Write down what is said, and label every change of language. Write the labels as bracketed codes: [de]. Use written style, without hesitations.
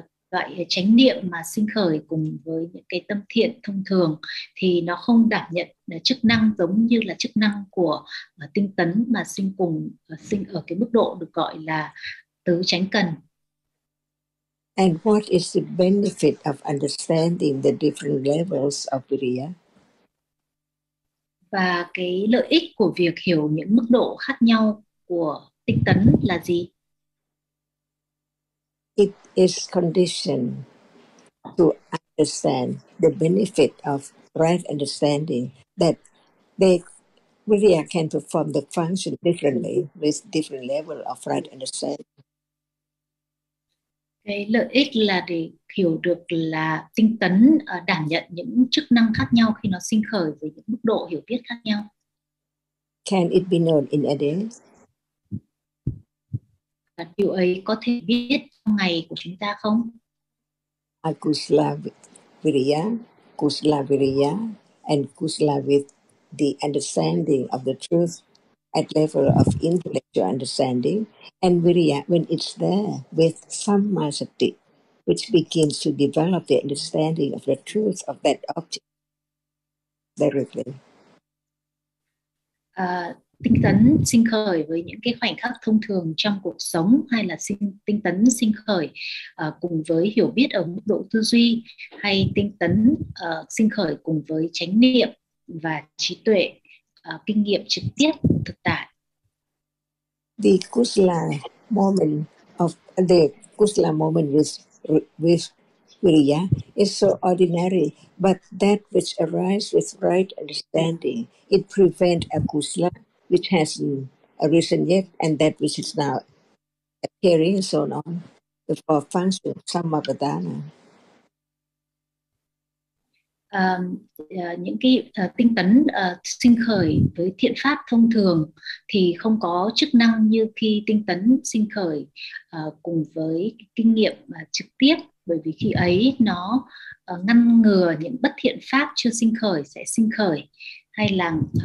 [vi] Loại chánh niệm mà sinh khởi cùng với những cái tâm thiện thông thường thì nó không đảm nhận chức năng giống như là chức năng của tinh tấn mà sinh cùng sinh ở cái mức độ được gọi là tứ chánh cần. [en] And what is the benefit of understanding the different levels of virya? [vi] Và cái lợi ích của việc hiểu những mức độ khác nhau của tinh tấn là gì? [en] It is conditioned to understand the benefit of right understanding that they really can perform the function differently with different level of right understanding. [vi] Cái lợi ích là để hiểu được là tinh tấn đảm nhận những chức năng khác nhau khi nó sinh khởi với những mức độ hiểu biết khác nhau. [en] Can it be known in a day? [vi] Điều ấy có thể biết trong ngày của chúng ta không? [en] Akusla viriya, kusla viriya, and kusla with the understanding of the truth at level of intellectual understanding, and viriya when it's there with sammasati, which begins to develop the understanding of the truth of that object directly. [vi] Tinh tấn sinh khởi với những cái khoảnh khắc thông thường trong cuộc sống hay là tinh tấn sinh khởi cùng với hiểu biết ở mức độ tư duy hay tinh tấn sinh khởi cùng với chánh niệm và trí tuệ kinh nghiệm trực tiếp thực tại. [en] The kusala moment of the kusala moment with viriya is so ordinary, but that which arises with right understanding, it prevents a kusala which hasn't arisen yet, and that which is now appearing and so on, the four functions of sammapadana. [vi] Những cái tinh tấn sinh khởi với thiện pháp thông thường thì không có chức năng như khi tinh tấn sinh khởi cùng với kinh nghiệm trực tiếp, bởi vì khi ấy nó ngăn ngừa những bất thiện pháp chưa sinh khởi sẽ sinh khởi, hay là